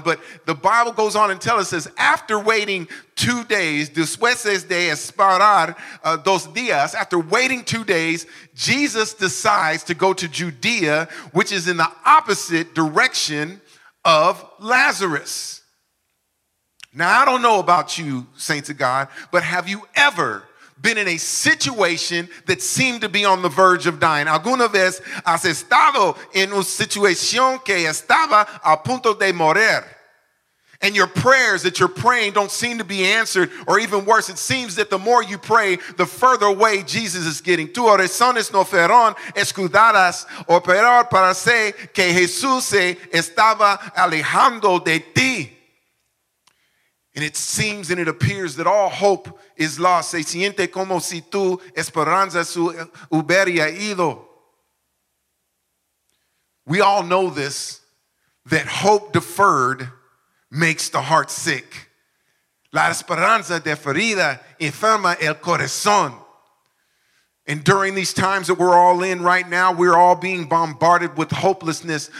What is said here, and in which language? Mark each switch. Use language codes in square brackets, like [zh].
[en] But the Bible goes on and tells us, after waiting 2 days, [es] después de esperar dos días, [en] after waiting 2 days, Jesus decides to go to Judea, which is in the opposite direction of Lazarus. Now, I don't know about you, saints of God, but have you ever been in a situation that seemed to be on the verge of dying? [es] ¿Alguna vez has estado en una situación que estaba a punto de morir? [en] And your prayers that you're praying don't seem to be answered, or even worse, it seems that the more you pray, the further away Jesus is getting. [es] Tus oraciones no fueron escuchadas, o peor, parece que Jesús se estaba alejando de ti. [en] And it seems and it appears that all hope is lost. [es] Se siente como si tu esperanza su hubiera ido. [en] We all know this, that hope deferred makes the heart sick. [es] La esperanza deferida enferma el corazón. [en] And during these times that we're all in right now, we're all being bombarded with hopelessness.